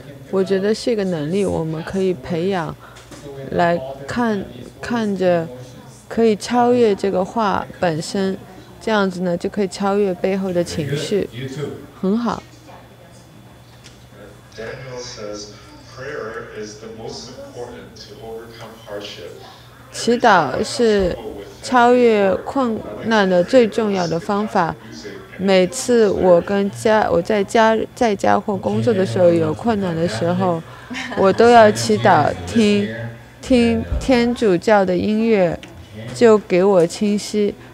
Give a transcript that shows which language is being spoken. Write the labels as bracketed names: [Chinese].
[Chinese] 我觉得是一个能力，我们可以培养来看看着，可以超越这个话本身，这样子呢就可以超越背后的情绪。很好。 [English] Daniel says, prayer is the most important to overcome hardship. [Chinese] 祈祷是超越困难的最重要的方法。每次我在家或工作的时候有困难的时候，我都要祈祷，听天主教的音乐，就给我清晰。